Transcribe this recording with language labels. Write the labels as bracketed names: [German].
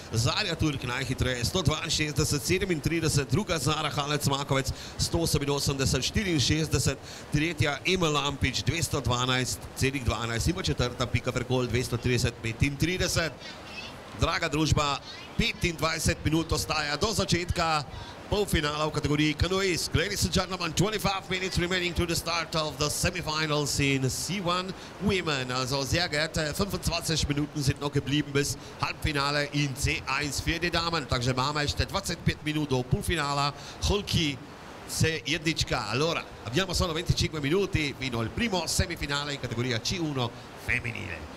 [Slovenian] Zarja Turk najhitreje 162-37, druga Zara Halec Makovec 188-64, tretja Emil Lampič 212-12 in pa četrta Pika Ferkol 230-35. Draga družba, 25 minut ostaja do začetka polfinala v kategoriji kanuist. [English] Ladies and gentlemen, 25 minutes remaining to the start of the semifinals in C1 Women. [German] Also sehr geehrte, 25 Minuten sind noch geblieben bis Halbfinale in C1 für die Damen. [Slovak] Takže máme ešte 25 minut do polfinala. Holky C1. [Italian] Allora, abbiamo solo 25 minuti fino al primo semifinale in categoria C1 femminile.